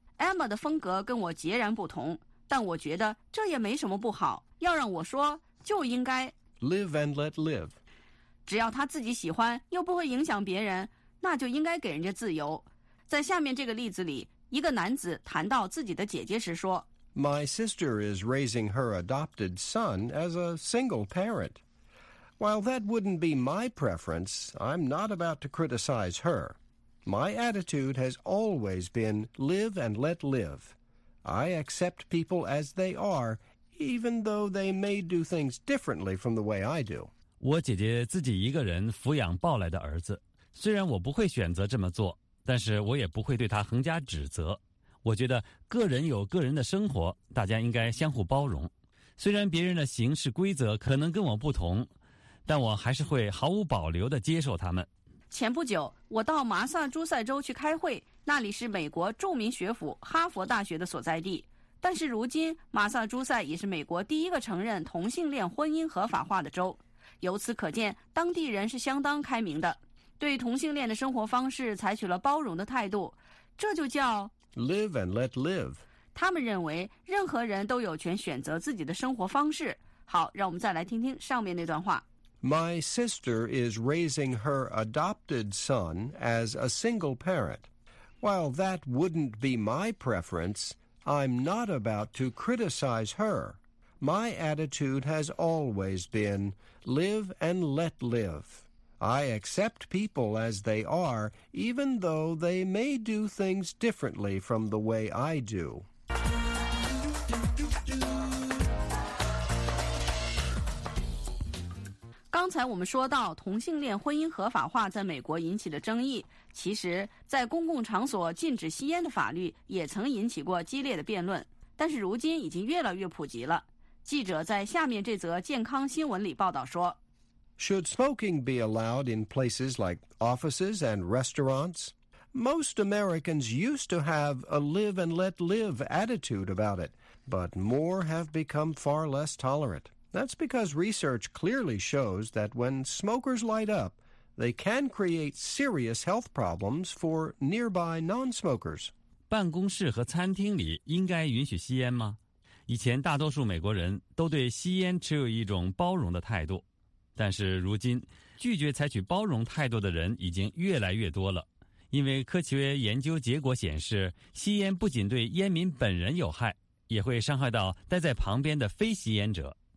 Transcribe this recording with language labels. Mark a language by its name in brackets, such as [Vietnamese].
[Chinese] Emma 的风格跟我截然不同，但我觉得这也没什么不好。要让我说就应该。 [English] Live and let live. [Chinese] 只要他自己喜欢又不会影响别人，那就应该给人家自由。在下面这个例子里，一个男子谈到自己的姐姐时说， [English] My sister is raising her adopted son as a single parent. While that wouldn't be my preference, I'm not about to criticize her. My attitude has always been live and let live. I accept people as they are, even though they may do things differently from the way I do. [Chinese] 我姐姐自己一个人抚养抱来的儿子，虽然我不会选择这么做，但是我也不会对她横加指责。我觉得个人有个人的生活，大家应该相互包容。虽然别人的行事规则可能跟我不同，但我还是会毫无保留地接受他们。前不久，我到马萨诸塞州去开会，那里是美国著名学府哈佛大学的所在地。但是如今，马萨诸塞也是美国第一个承认同性恋婚姻合法化的州。由此可见，当地人是相当开明的，对同性恋的生活方式采取了包容的态度。这就叫 [English] Live and let live. [Chinese] 他们认为任何人都有权选择自己的生活方式。好，让我们再来听听上面那段话。 [English] My sister is raising her adopted son as a single parent. While that wouldn't be my preference, I'm not about to criticize her. My attitude has always been live and let live. I accept people as they are, even though they may do things differently from the way I do. [Chinese] 刚才我们说到同性恋婚姻合法化在美国引起的争议，其实在公共场所禁止吸烟的法律也曾引起过激烈的辩论，但是如今已经越来越普及了。记者在下面这则健康新闻里报道说， [English] Should smoking be allowed in places like offices and restaurants? Most Americans used to have a live and let live attitude about it, but more have become far less tolerant. That's because research clearly shows that when smokers light up, they can create serious health problems for nearby non-smokers. [Chinese] 办公室和餐厅里应该允许吸烟吗？以前大多数美国人都对吸烟持有一种包容的态度，但是如今，拒绝采取包容态度的人已经越来越多了，因为科学研究结果显示，吸烟不仅对烟民本人有害，也会伤害到待在旁边的非吸烟者。